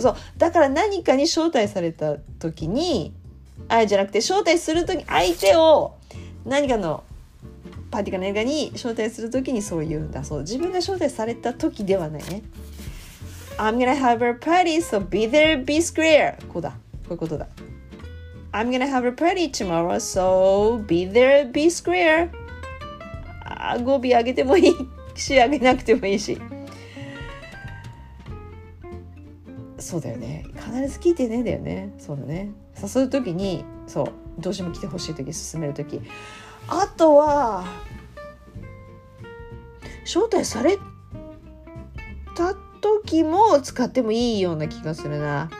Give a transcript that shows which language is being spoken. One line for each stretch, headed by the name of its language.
Japanese: そう、だから何かに招待された時に、あ、じゃなくて招待する時、相手を何かのパーティーか何かに招待する時にそう言うんだそう。自分が招待された時ではないね。
English: I'm gonna have a party, so be there, be square.
Japanese: こうだ、こういうことだ。
English: I'm gonna have a party tomorrow, so be there, be square.
Japanese: 語尾上げてもいいし、上げなくてもいいし、そうだよね、必ず聞いてねえだよね。そうだね、誘う時に、そう、どうしても来てほしい時、勧める時。あとは招待された時も使ってもいいような気がするな。